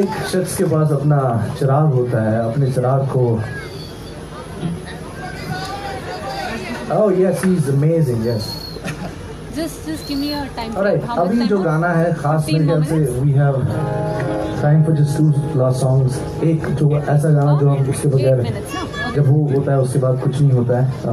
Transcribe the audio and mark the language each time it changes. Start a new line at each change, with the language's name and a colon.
Hindi: शख्स के पास अपना चिराग होता है, अपने चिराग को
English: Oh yes, he's amazing. Yes. Just give me your time. All right.
Hindi: अभी जो गाना है, खास मेरे से,
English: we have time for just two last songs.
Hindi: एक जो ऐसा गाना जो हम उसके बगैर, जब वो होता है उसके बाद कुछ नहीं होता है.